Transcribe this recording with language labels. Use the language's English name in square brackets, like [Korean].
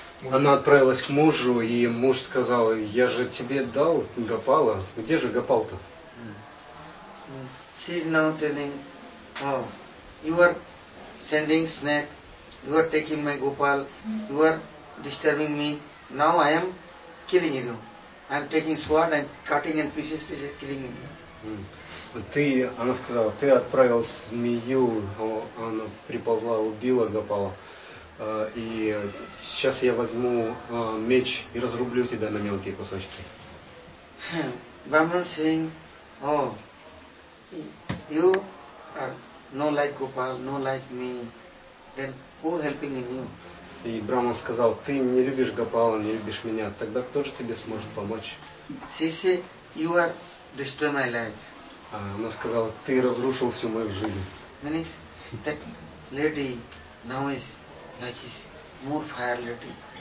[Russian] Она отправилась к мужу, и муж сказал, я же тебе дал Гопала. Где же Гопал-то? [English] She is now telling, oh, you are sending snake, you are taking my Gopal, you are disturbing me. Now I am killing you. I am taking sword and cutting in pieces, killing you. [Russian] Ты, она сказала, ты отправил змею, она приползла, убила Гопала. И сейчас я возьму меч и разрублю тебя на мелкие кусочки. [English] Brahman saying, oh, you are no like Gopal, no like me. Then who is helping me? [Russian] И Брахман сказал, ты не любишь Гопала, не любишь меня. Тогда кто же тебе сможет помочь? [English] She said, you are destroying my life. [Russian] Она сказала, ты разрушил всю мою жизнь. [English] Means that lady now is like his more fire lady.